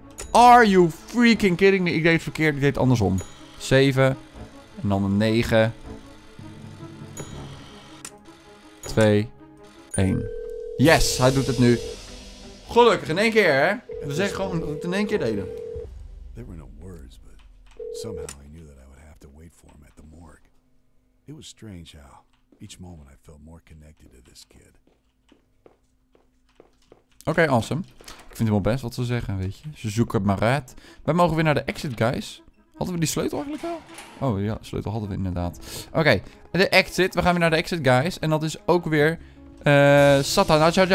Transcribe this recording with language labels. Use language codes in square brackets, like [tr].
[en] Are you freaking kidding me? [nl] Ik deed het verkeerd, ik deed het andersom. 7. En dan een 9. 2. 1. Yes, hij doet het nu. Gelukkig, in één keer, hè? We zeggen gewoon dat we het in één keer deden. [en] There were no words, but somehow I knew that I would have to wait for him at the morgue. It was strange how each moment I felt more connected to this kid. Oké, awesome. [nl] Ik vind het wel best wat ze zeggen, weet je. Ze zoeken het maar uit. Wij mogen weer naar de exit, guys. Hadden we die sleutel eigenlijk al? Oh ja, sleutel hadden we inderdaad. Oké, de exit. We gaan weer naar de exit, guys. En dat is ook weer Satan.